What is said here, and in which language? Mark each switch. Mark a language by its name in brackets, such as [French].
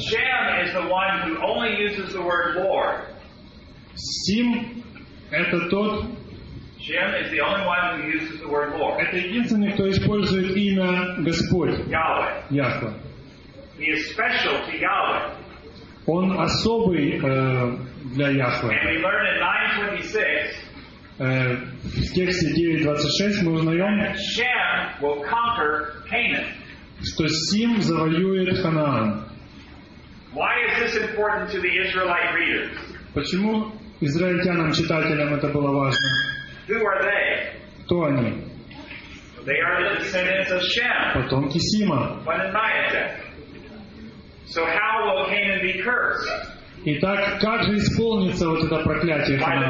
[English] Shem is the one who only uses the word Lord. [Russian] Сим это тот, [English] Jim is the only one who uses the word Lord. [Russian] Это единственный, кто использует имя Господь. [English] Yahweh. [Russian] Яхве. [English] He is special to Yahweh. [Russian] Он особый для Яхве. [English] And we learn in 9:26. [Russian] В тексте 9:26 мы узнаем, [English] Shem will conquer Canaan. [Russian] Что Сим завоюет Ханаан. [English] Why is this important to the Israelite readers? [Russian] Почему израильтянам читателям это было важно? [English] Who are they? [Russian] Кто они? [English] They are the descendants of Shem. [Russian] Потомки Сима. [English] But in Niatek. So how will Canaan be cursed? [Russian] Итак, как же исполнится вот это проклятие